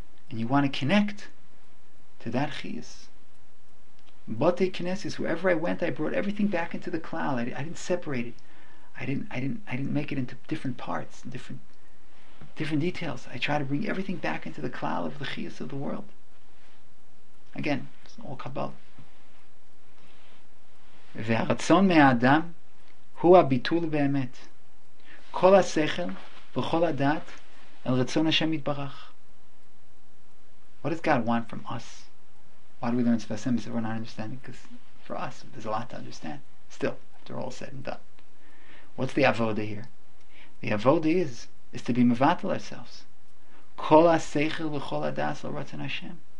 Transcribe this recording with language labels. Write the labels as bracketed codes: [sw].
[en] And you want to connect to that chiyus. Bote Knesses, wherever I went, I brought everything back into the cloud. I didn't separate it. I didn't make it into different parts, different details. I try to bring everything back into the cloud of the chiyus of the world. Again, it's all Kabbalah. [he] והרצון מהאדם הוא הביטול באמת. כל השכל וכל הדעת על רצון השם יתברך. [en] What does God want from us? Why do we learn Sfasem if we're not understanding? Because for us, there's a lot to understand. Still, after all said and done. What's the avoda here? The avoda is to be mevatel ourselves. [he] כל השכל וכל הדעת על רצון השם.